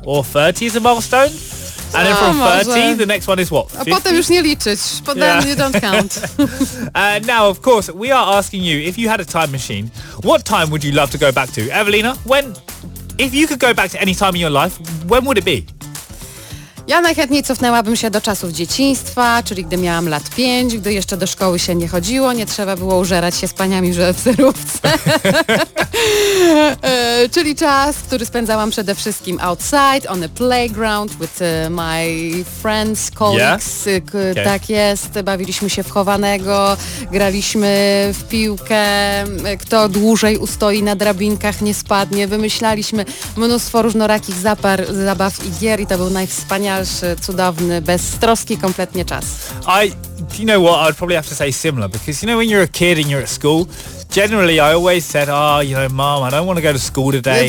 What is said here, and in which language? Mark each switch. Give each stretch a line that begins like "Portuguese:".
English: Or 30 is a milestone? And then from 30, the next one is what, 50?
Polish: A potem już nie liczyć,
English: but then you don't count. Now, of course, we are asking you, if you had a time machine, what time would you love to go back to? Evelina, if you could go back to any time in your life, when would it be?
Polish: Ja najchętniej cofnęłabym się do czasów dzieciństwa, czyli gdy miałam lat 5, gdy jeszcze do szkoły się nie chodziło, nie trzeba było użerać się z paniami w zerówce. czyli czas, który spędzałam przede wszystkim
English: outside, on a playground, with my friends, colleagues. Yeah? Okay.
Polish: Tak jest, bawiliśmy się w chowanego, graliśmy w piłkę, kto dłużej ustoi na drabinkach, nie spadnie. Wymyślaliśmy mnóstwo różnorakich zabaw i gier i to był najwspanialszy, cudowny, beztroski, kompletnie czas.
English: You know what, I'd probably have to say similar, because you know when you're a kid and you're at school, generally I always said, oh, you know, mom, I don't want to go to school today.